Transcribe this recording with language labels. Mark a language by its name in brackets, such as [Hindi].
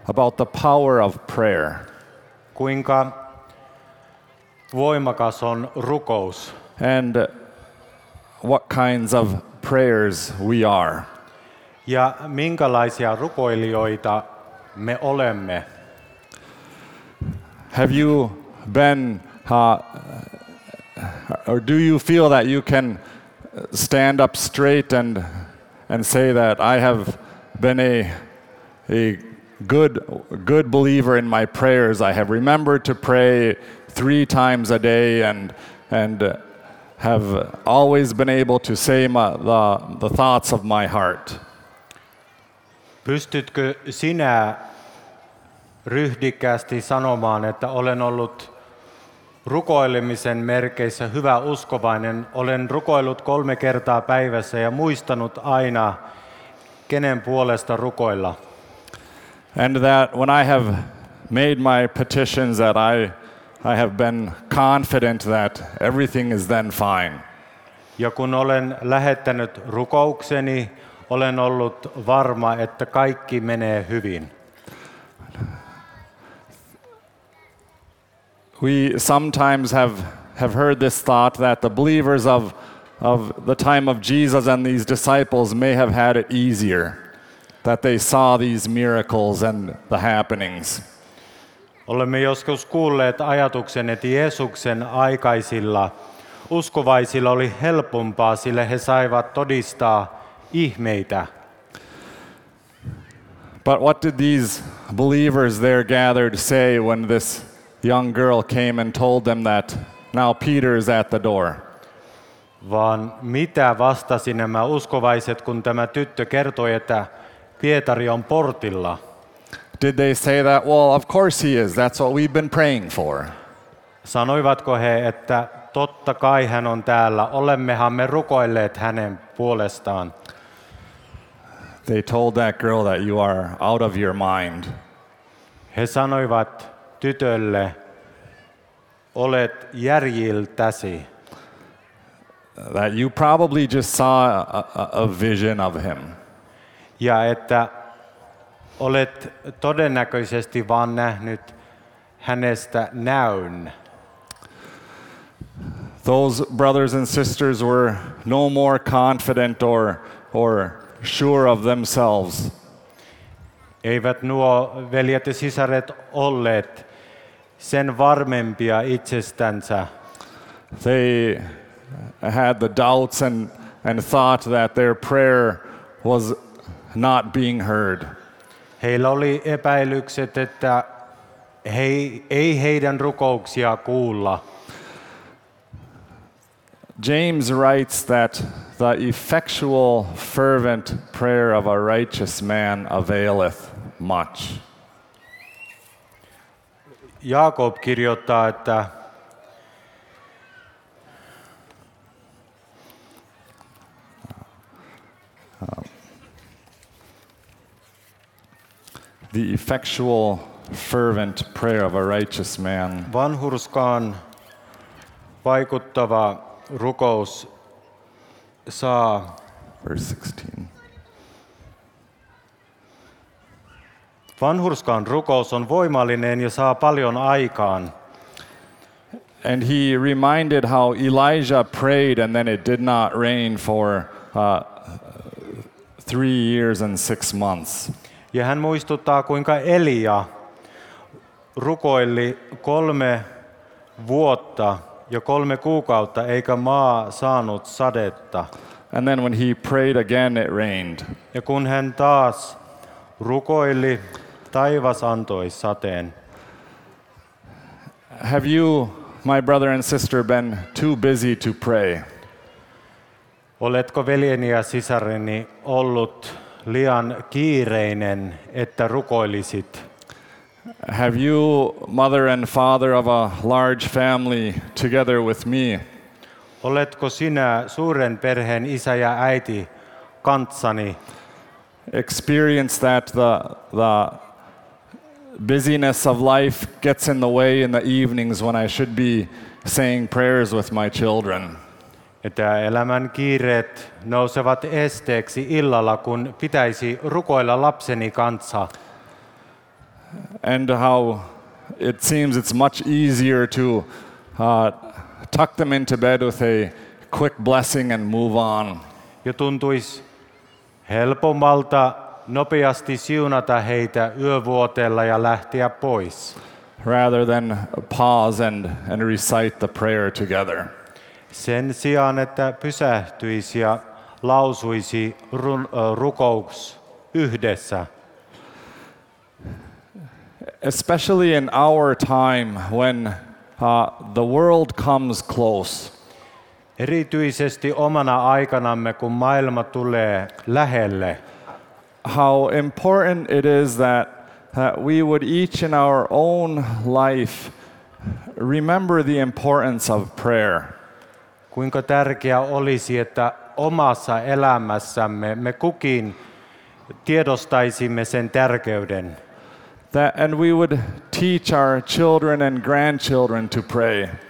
[English] About the power of prayer. [Finnish] Kuinka voimakas on rukous. [English] And what kinds of prayers we are. [Finnish] Ja minkälaisia rukoilijoita me olemme. [English] Have you been, or do you feel that you can stand up straight and say that I have been a good believer in my prayers? I have remembered to pray 3 times a day and have always been able to say the thoughts of my heart. [Finnish] Pystytkö sinä ryhdikkäästi sanomaan, että olen ollut rukoilemisen merkeissä hyvä uskovainen, olen rukoillut 3 kertaa päivässä ja muistanut aina, kenen puolesta rukoilla. [English] And that when I have made my petitions, that I have been confident that everything is then fine. [Finnish] Ja kun olen lähettänyt rukoukseni, olen ollut varma, että kaikki menee hyvin. [English] We sometimes have heard this thought that the believers of the time of Jesus and these disciples may have had it easier, that they saw these miracles and the happenings. [Finnish] Olemme joskus kuulleet ajatuksen, että Jeesuksen aikaisilla uskovaisilla oli helpompaa, sillä he saivat todistaa ihmeitä. [English] But what did these believers there gathered say when this young girl came and told them that now Peter is at the door? [Finnish] Vaan mitä vastasi nämä uskovaiset, kun tämä tyttö kertoi, että Pietari on portilla? [English] Did they say that, well, of course he is, that's what we've been praying for? [Finnish] Sanoivatko he, että totta kai hän on täällä, olemmehan me rukoilleet hänen puolestaan? [English] They told that girl that you are out of your mind. [Finnish] He sanoivat tytölle, olet järjiltäsi. [English] That you probably just saw a vision of him. [Finnish] Ja että olet todennäköisesti vaan nähnyt hänestä näyn. [English] Those brothers and sisters were no more confident or sure of themselves. [Finnish] Eivät nuo veljet ja sisaret olleet sen varmempia itsestänsä. [English] They had the doubts and thought that their prayer was not being heard. [Finnish] Heillä oli epäilykset, että ei heidän rukouksia kuulla. [English] James writes that the effectual fervent prayer of a righteous man availeth much. [Finnish] Jaakob kirjoittaa, että [English] the effectual fervent prayer of a righteous man. [Finnish] Vanhurskaan vaikuttava rukous saa. [English] Verse 16. [Finnish] Vanhurskaan rukous on voimallinen ja saa paljon aikaan. [English] And he reminded how Elijah prayed and then it did not rain for 3 years and 6 months. [Finnish] Ja hän muistuttaa, kuinka Elia rukoili 3 vuotta ja 3 kuukautta, eikä maa saanut sadetta. [English] And then when he prayed again, it rained. [Finnish] Ja kun hän taas rukoili, taivas antoi sateen. [English] Have you, my brother and sister, been too busy to pray? [Finnish] Oletko veljeni ja sisareni ollut liian kiireinen, että rukoilisit? [English] Have you, mother and father of a large family, together with me? [Finnish] Oletko sinä suuren perheen isä ja äiti kanssani? [English] Experience that the busyness of life gets in the way in the evenings when I should be saying prayers with my children. [Finnish] Että elämän kiireet nousevat esteeksi illalla, kun pitäisi rukoilla lapseni kanssa. [English] And how it seems it's much easier to tuck them into bed with a quick blessing and move on. [Finnish] Ja tuntuisi helpommalta nopeasti siunata heitä yövuoteella ja lähteä pois. [English] Rather than pause and recite the prayer together. [Finnish] Sen sijaan, että pysähtyisi ja lausuisi rukouks yhdessä. [English] Especially in our time when the world comes close. [Finnish] Erityisesti omana aikanamme, kun maailma tulee lähelle. [English] How important it is that we would each in our own life remember the importance of prayer. [Finnish] Kuinka tärkeää olisi, että omassa elämässämme me kukin tiedostaisimme sen tärkeyden. [English] And we would teach our children and grandchildren to pray.